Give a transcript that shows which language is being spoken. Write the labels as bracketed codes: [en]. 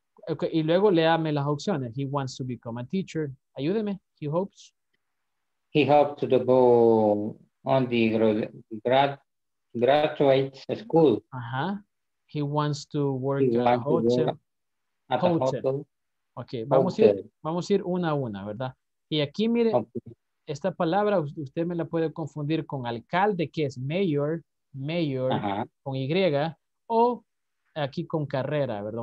[es] Okay, y luego léame las opciones. [en] He wants to become a teacher. [es] Ayúdeme. [en] He hopes. He hopes to go on the graduate school. Ajá. He wants to work at a hotel. [es] Okay, vamos a ir una a una, ¿verdad? Y aquí mire, okay. Esta palabra usted me la puede confundir con alcalde, que es mayor, ajá, con Y, o aquí con carrera, ¿verdad?